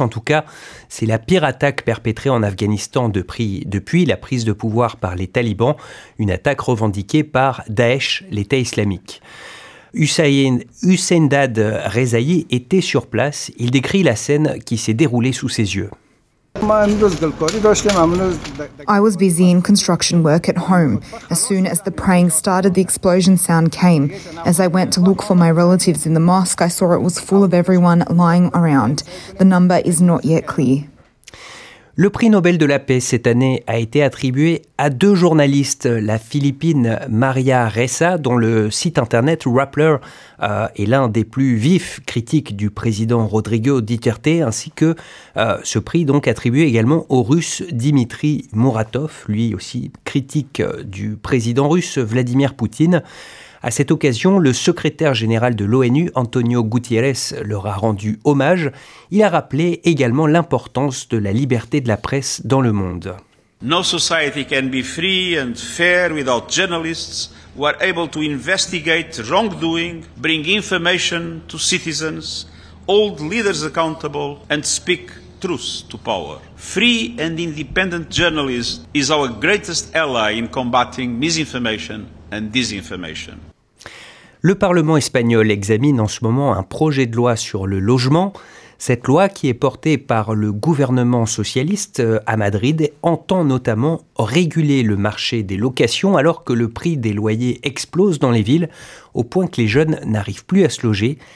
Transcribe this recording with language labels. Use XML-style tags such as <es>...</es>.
<fr>En tout cas, c'est la pire attaque perpétrée en Afghanistan depuis la prise de pouvoir par les talibans, une attaque revendiquée par Daesh, l'État islamique. Hussein Dad Rezaei était sur place. Il décrit la scène qui s'est déroulée sous ses yeux.</fr> <en>I was busy in construction work at home. As soon as the praying started, the explosion sound came. As I went to look for my relatives in the mosque, I saw it was full of everyone lying around. The number is not yet clear.</en> <fr>Le prix Nobel de la paix cette année a été attribué à deux journalistes, la Philippine Maria Ressa, dont le site internet Rappler est l'un des plus vifs critiques du président Rodrigo Duterte, ainsi que ce prix donc attribué également au russe Dimitri Muratov, lui aussi critique du président russe Vladimir Poutine. À cette occasion, le secrétaire général de l'ONU, Antonio Guterres, leur a rendu hommage. Il a rappelé également l'importance de la liberté de la presse dans le monde.</fr> <en>No society can be free and fair without journalists who are able to investigate wrongdoing, bring information to citizens, hold leaders accountable and speak truth to power. Free and independent journalism is our greatest ally in combating misinformation and disinformation.</en> <fr>Le Parlement espagnol examine en ce moment un projet de loi sur le logement. Cette loi, qui est portée par le gouvernement socialiste à Madrid, entend notamment réguler le marché des locations alors que le prix des loyers explose dans les villes, au point que les jeunes n'arrivent plus à se loger.</fr>